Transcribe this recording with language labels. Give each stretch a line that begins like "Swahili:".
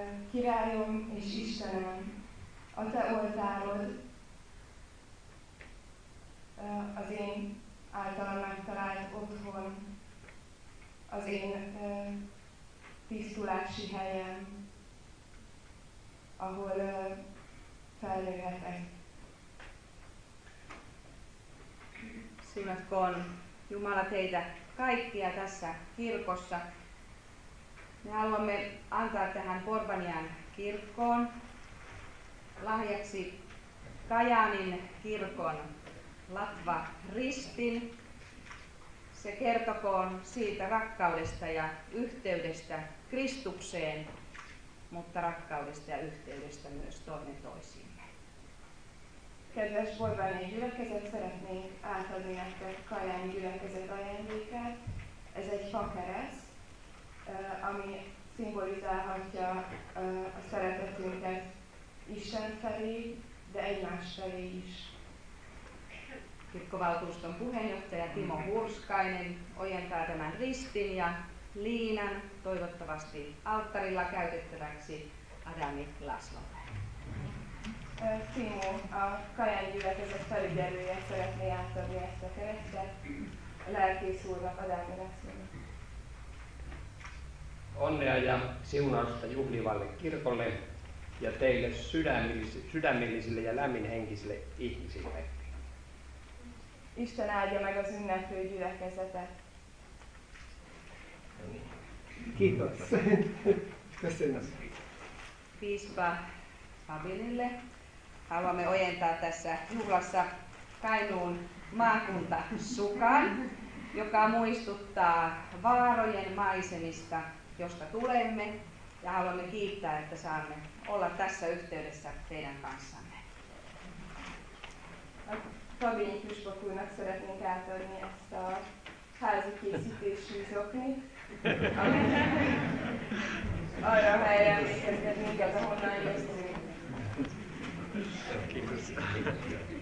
Hungarian: Királyom és Istenem, a te oltárod az én által megtalált otthon, az én tisztulási helyem, ahol felnőhetek.
Finnish: Szimatkon Jumala teitä kaikkia tässä kirkossa. Me haluamme antaa tähän Korbanian kirkkoon lahjaksi Kajaanin kirkon latvaristin. Se kertokoon siitä rakkaudesta ja yhteydestä Kristukseen, mutta rakkaudesta ja yhteydestä myös toinen toisiimme.
Hungarian: Kedves Korbanian gyülekezet, szeretnék átadni nektek Kajaanin gyülekezet ajándékát. Ez egy fakereszt, ami szimbolizálhatja a szeretetünket Isten felé, de egymás felé is.
Finnish: Kirkkovaltuuston puheenjohtaja Timo Hurskainen ojentaa tämän ristin ja liinan toivottavasti alttarilla käytettäväksi Adami Laslolle.
Hungarian: Timo, a Kajaanin gyülekezet felügyelője szeretné átadni ezt a keresztet. Lelkész úrnak Adami Laslolle.
Finnish: Onnea ja siunausta juhlivalle kirkolle ja teille sydämellisille ja lämminhenkisille ihmisille.
Hungarian: Isten áldja meg az ünneplő gyülekezetet.
Finnish: Kiitos.
Hungarian: Köszönöm.
Finnish: Piispa Fabinille. Haluamme ojentaa tässä juhlassa Kainuun maakuntasukan, joka muistuttaa vaarojen maisemista, josta tulemme, ja haluamme kiittää, että saamme olla tässä yhteydessä teidän kanssanne.
Hungarian: Fabinyi püspökünknek szeretnénk átadni ezt a házi készítésű zoknit, ami arra helyre emlékezget minket, ahonnan jöztünk.